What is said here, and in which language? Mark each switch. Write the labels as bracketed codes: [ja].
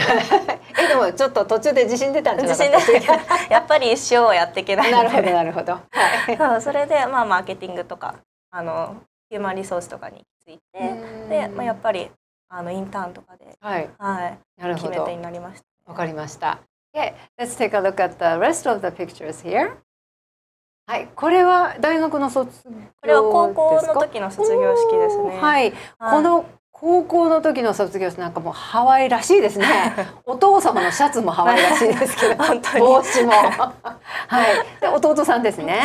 [ja] よ。でもちょっと途中で自信出たんじゃなかったやっぱり一生はやっていけない。なるほどなるほど、はい、それで、まあ、マーケティングとかあのヒューマンリソースとかについて、で、まあ、やっぱりあのインターンとかで、はいはい、なるほど、決め手になりました。わかりました。 [en] OK, let's take a look at the rest of the pictures here. [ja] はい、これは大学の卒業ですか？これは高校の時の卒業式ですね、はいはい、この高校の時の卒業式なんかもうハワイらしいですね。お父様のシャツもハワイらしいですけど本当に帽子も、はい、で弟さんですね。